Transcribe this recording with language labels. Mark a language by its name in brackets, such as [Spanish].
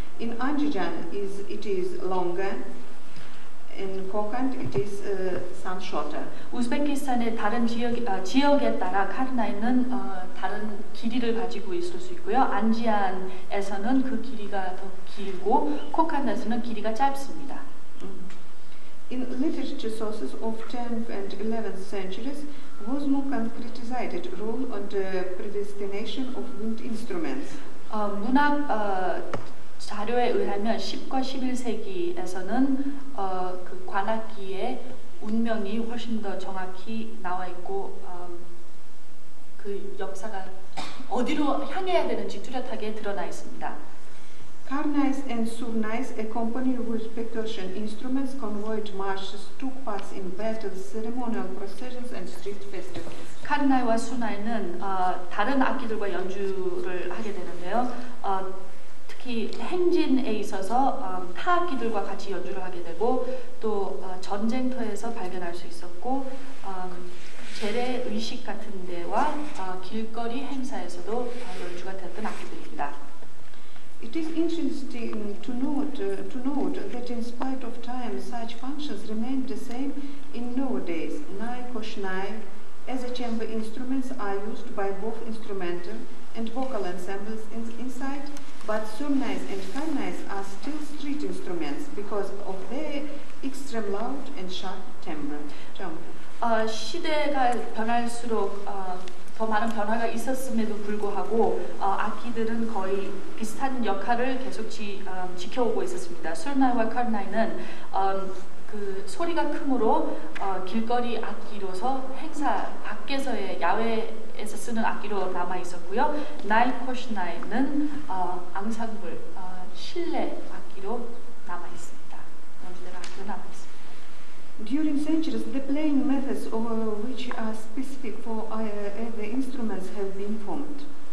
[English] In Andijan, it is longer. In Kokand, it is some shorter. [Korean] 우즈베키스탄의 다른 지역에 따라 카르나이는 다른 길이를 가지고 있을 수 있고요. 안지안에서는 그 길이가 더 길고 코칸에서는 길이가 짧습니다. [English] In literature sources of 10th and 11th centuries, Wozmukan criticized rule on the predestination of wind instruments. [Korean] 문학 자료에 의하면 10과 11세기에서는 그 관악기의 운명이 훨씬 더 정확히 나와 있고 그 역사가 어디로 향해야 되는지 뚜렷하게 드러나 있습니다. [English] Karnais and surnais accompanied with percussion instruments convoyed marches took part in battles, ceremonial processions and street festivals. [Korean] 카르나이와 수나이는 다른 악기들과 연주를 하게 되는데요. 행진에 있어서 타악기들과 같이 연주를 하게 되고 또 전쟁터에서 발견할 수 있었고 재래 의식 같은 데와 길거리 행사에서도 연주가 되었던 악기들입니다. [English] It is interesting to note that in spite of time, such functions remain the same in nowadays. Nai koshnai as a chamber instruments are used by both instrumental and vocal ensembles inside. But surnais and karnais are still street instruments because of their extreme loud and sharp timbre. [Korean] 시대가 변할수록 더 많은 변화가 있었음에도 불구하고 악기들은 거의 비슷한 역할을 계속 지켜오고 있었습니다. 술나이와 카르나이는 그 소리가 크므로 길거리 악기로서 행사 밖에서의 야외에서 쓰는 악기로 남아 있었고요. 나이코시나이는 앙상블 실내 악기로 남아 있습니다. 연주되는 악기로 남아 있습니다. [English] During centuries, the playing methods of which are specific for the instruments have been formed.